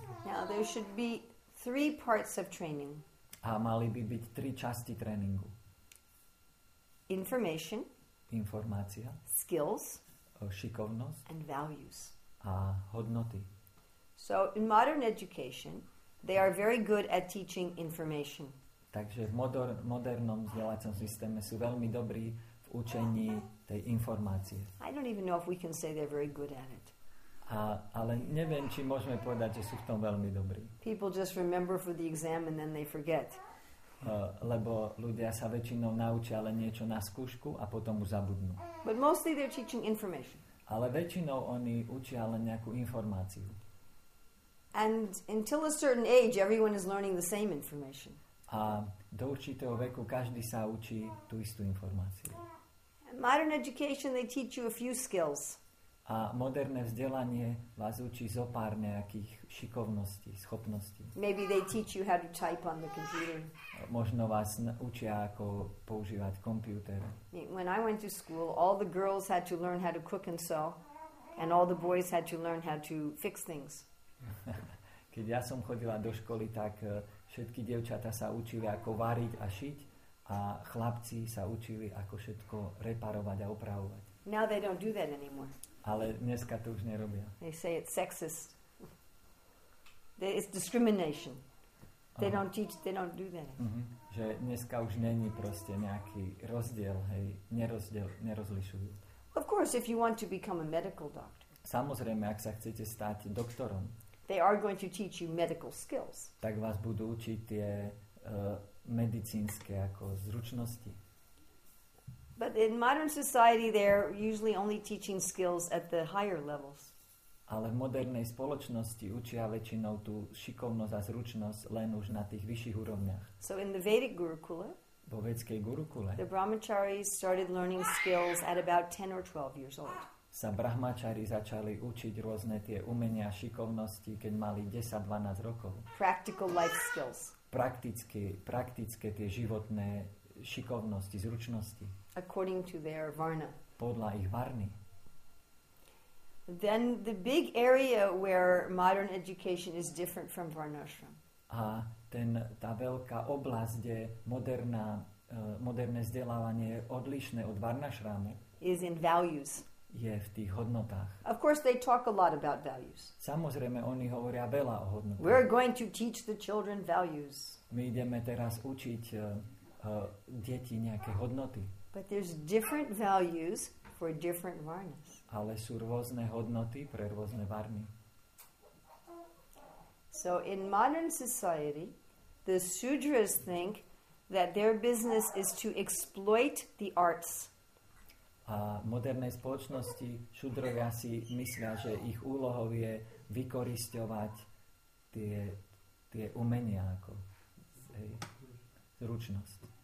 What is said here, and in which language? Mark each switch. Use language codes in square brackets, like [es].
[en] Now there should be three parts of training. [sk] A mali by byť tri časti tréningu. [en] Information. [sk] Informácia, [en] skills, [sk] šikovnosť, [en] and values. [sk] A hodnoty. [en] So in modern education, they are very good at teaching information. [sk] Takže v modernom vzdelávacom systéme sú veľmi dobrí v učení tej informácie. [en] I don't even know if we can say they're very good at it. [sk] Ale neviem, či môžeme povedať, že sú v tom veľmi dobrí. [en] People just remember for the exam and then they forget. [sk] Lebo ľudia sa väčšinou naučia len niečo na skúšku a potom už zabudnú. [en] But mostly they're teaching information. [sk] Ale väčšinou oni učia len nejakú informáciu. [en] And until a certain age, everyone is learning the same information. [sk] A do určitého veku každý sa učí tú istú informáciu. [en] In modern education, they teach you a few skills. [sk] A moderné vzdelanie vás učí zo pár nejakých šikovností, schopností. [en] Maybe they teach you how to type on the computer. [sk] Možno vás učia, ako používať komputer. [en] When I went to school, all the girls had to learn how to cook and sew, and all the boys had to learn how to fix things. [sk] Keď ja som chodila do školy, tak všetky dievčatá sa učili, ako variť a šiť, a chlapci sa učili, ako všetko reparovať a opravovať. [en] Now they don't do that anymore. [sk] Ale dneska to už nerobia. [en] They say it's sexist. It's discrimination. They don't teach, they don't do that. [sk] Mm-hmm. Že dneska už není proste nejaký rozdiel, hej, nerozlišujú. [en] Of course, if you want to become a medical doctor. [sk] Samozrejme, ak sa chcete stať doktorom. [en] They are going to teach you medical skills. [sk] Tak vás budú učiť tie medicínske ako zručnosti. [en] But in modern society, they're usually only teaching skills at the higher levels. [sk] Ale v modernej spoločnosti učia väčšinou tú šikovnosť a zručnosť len už na tých vyšších úrovniach. [en] So in the Vedic Gurukula, [sk] vo vedskej Gurukule, [en] the brahmacharis started learning skills at about 10 or 12 years old. [sk] Sa brahmačari začali učiť rôzne tie umenia a šikovnosti, keď mali 10-12 rokov. [en] Practical life skills. [sk] Praktické tie životné šikovnosti, zručnosti. [en] According to their varna. [sk] Podľa ich varny. [en] Then the big area where modern education is different from varnashram. [sk] A tá veľká oblasť, kde moderné vzdelávanie je odlišné od varnashramu, [en] is in values. [sk] Je v tých hodnotách. [en] Of course they talk a lot about values. [sk] Samozrejme oni hovoria veľa o hodnotách. [en] We're going to teach the children values. [sk] My ideme teraz učiť deti nejaké hodnoty. [en] But there's different values for different varnas. [sk] ale sú rôzne hodnoty pre rôzne varmy. [en] So in modern society, the sudras think that their business is to exploit the arts. [sk] A v modernej spoločnosti šudrovia si myslia, že ich úlohou je vykorisťovať tie umenia ako zručnosť.